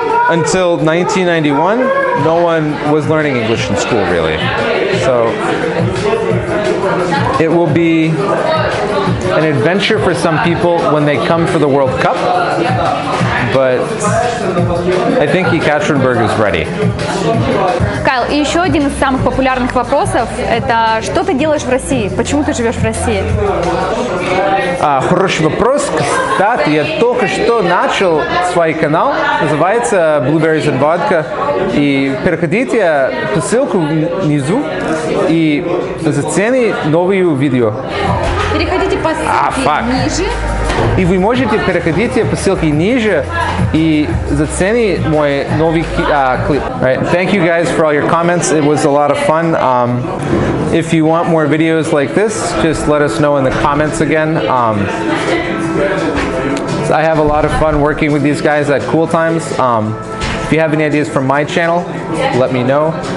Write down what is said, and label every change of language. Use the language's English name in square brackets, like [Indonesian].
[English] until 1991, no one was learning English in school really, so it will be an adventure for some people when they come for the World Cup, but I think Екатеринбург is ready. [Russian] Кайл, и еще один из самых популярных вопросов – это что ты делаешь в России? Почему ты живешь в России? Хороший вопрос. Кстати, я только что начал свой канал, называется Blueberries and Vodka, и переходите по ссылке внизу и зацените новое видео. Переходите по ссылке ниже. И вы можете переходить по ссылке ниже и зацените мой новый клип. [English] All right, thank you guys for all your comments. It was a lot of fun. If you want more videos like this, just let us know in the comments again. I have a lot of fun working with these guys at Cool Times. If you have any ideas for my channel, let me know.